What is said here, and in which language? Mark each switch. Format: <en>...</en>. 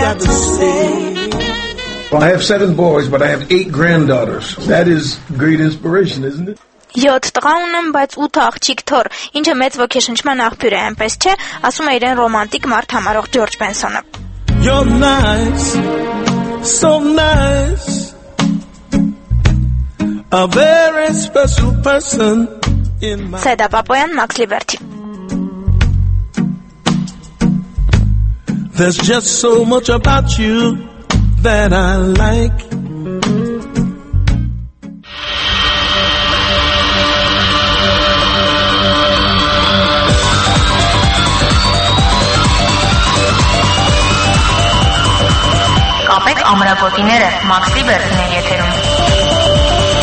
<en>Well, I have 7 boys, but I have 8 granddaughters. That is great inspiration, isn't it?</en> <hy>7 տղա ունեմ, բայց 8 աղջիկ թոր, ինչը մեծ ոգեշնչման աղբյուր է, այնպես չէ, ասում է իրեն ռոմանտիկ մարդ համարող Ջորջ Բենսոնը.</hy> <en>You're nice, so nice, a very special person in my...</en> <hy>Սեդա Պապոյան, Մաքս Լիբերթի.</hy> <en>There's just so much about you that I like.</en> <hy>Կապեք ամրապոտիները Մաքս Լիբերթին է եթերում։</hy>